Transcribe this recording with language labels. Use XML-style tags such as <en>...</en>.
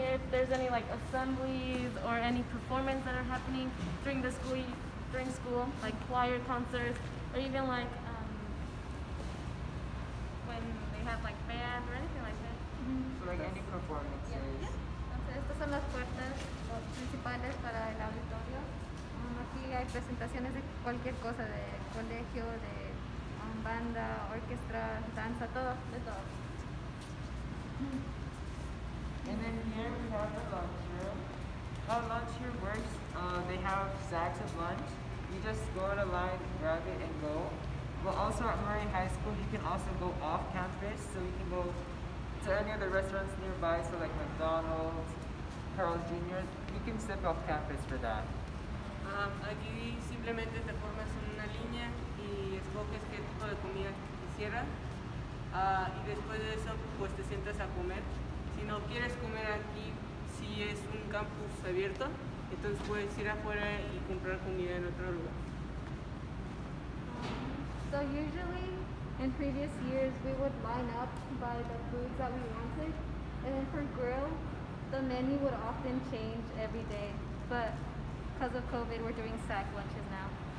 <en>There's any like assemblies or any performance that are happening during the school year, during school, like choir concerts, or even like when they have like band or anything like that. Mm-hmm. So like any performances. Yeah.</en> <es>Entonces, estas son las puertas principales para el auditorio. Aquí hay presentaciones de cualquier cosa, de colegio, de banda, orquesta, danza, todo, de todo.</es> <en>And then here we have the lunch room. How lunch here works, they have sacks of lunch. You just go in a line, grab it, and go. But also at Murray High School, you can also go off campus. So you can go to any of the restaurants nearby, so like McDonald's, Carl's Jr. You can step off campus for that.</en> <es>Aquí simplemente te formas en una línea y escoges qué tipo de comida quisieras. Y después de eso, pues te sientas a comer. Si no quieres comer aquí, si es un campus abierto, entonces puedes ir afuera y comprar comida en otro lugar.</es> <en>So usually, in previous years, we would line up by the foods that we wanted. And then for grill, the menu would often change every day. But because of COVID, we're doing sack lunches now.</en>